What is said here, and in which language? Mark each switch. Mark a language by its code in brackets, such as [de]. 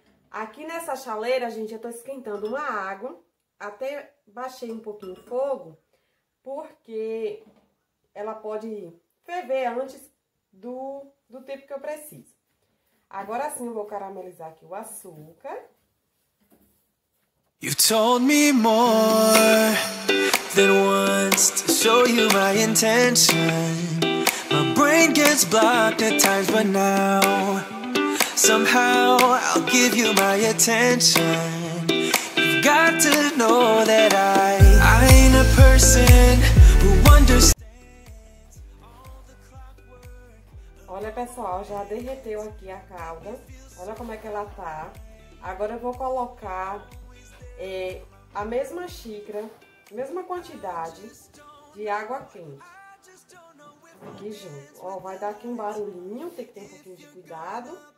[pt] Aqui nessa chaleira, gente, eu tô esquentando uma água, até baixei um pouquinho o fogo, porque ela pode ferver antes do tempo que eu preciso. Agora sim, eu vou caramelizar aqui o açúcar. [en] You told me more than once to show you my intention. My brain gets blocked at times, but now somehow I'll give you my attention. You've got to know that I ain't a person who understands all the clockwork. [pt] Olha pessoal, já derreteu aqui a calda. Olha como é que ela tá. Agora eu vou colocar a mesma xícara, mesma quantidade de água quente aqui junto. Ó, vai dar aqui um barulhinho, tem que ter um pouquinho de cuidado.